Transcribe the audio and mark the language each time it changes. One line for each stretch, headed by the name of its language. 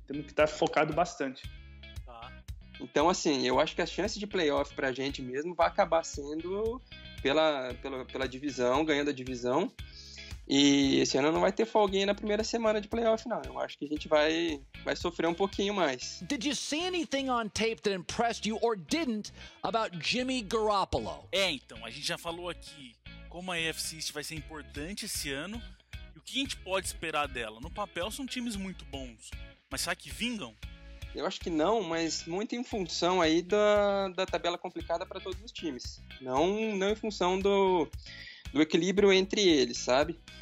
Portuguese: Temos que estar focado bastante. Tá. Então, assim, eu acho que a chance de playoff pra gente mesmo vai acabar sendo pela divisão, ganhando a divisão. E esse ano não vai ter folguinha na primeira semana de playoff, não. Eu acho que a gente vai sofrer um pouquinho mais.
English: Did you see anything on tape that impressed you or didn't about Jimmy Garoppolo?
Portuguese: Então, a gente já falou aqui como a AFC East vai ser importante esse ano e o que a gente pode esperar dela. No papel são times muito bons, mas será que vingam? Eu acho que não, mas muito em função aí da tabela complicada para todos os times. Não em função do equilíbrio entre eles, sabe?